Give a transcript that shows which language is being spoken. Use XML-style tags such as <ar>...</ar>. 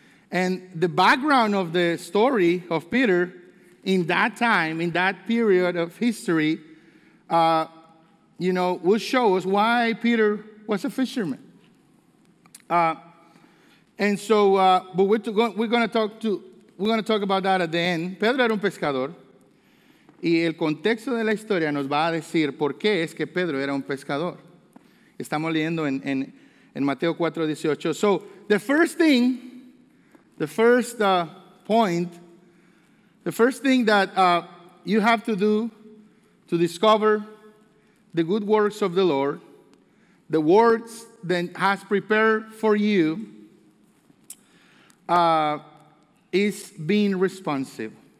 <en>And the background of the story of Peter in that time, in that period of history, you know, will show us why Peter was a fisherman. And so, but we're going to talk about that at the end.</en> <es>Pedro era un pescador. Y el contexto de la historia nos va a decir por qué es que Pedro era un pescador. Estamos leyendo en Mateo 4:18.</es> <en>So, the first thing that you have to do to discover the good works of the Lord, the words that has prepared for you, is being responsive.</en>